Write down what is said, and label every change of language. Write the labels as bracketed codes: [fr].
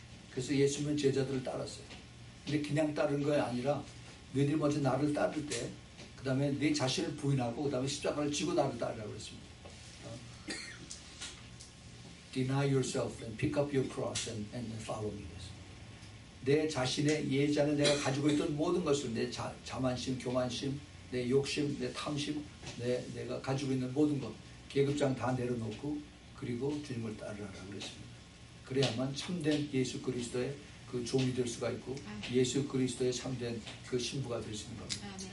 [ko] 그래서 예수님은 제자들을 따랐어요. 근데 그냥 따른 거 아니라 너희들이 먼저 나를 따를 때 그 다음에 내 자신을 부인하고 그 다음에 십자가를 지고 나를 따르라고 했습니다. [en] Deny yourself and pick up your cross and follow me. [ko] 내 자신의 예전에 내가 가지고 있던 모든 것을 내 자만심, 교만심, 내 욕심, 내 탐심, 내가 가지고 있는 모든 것 계급장 다 내려놓고 그리고 주님을 따르라고 그랬습니다. 그래야만 참된 예수 그리스도의 그 종이 될 수가 있고 예수 그리스도의 참된 그 신부가 될 수 있는 겁니다.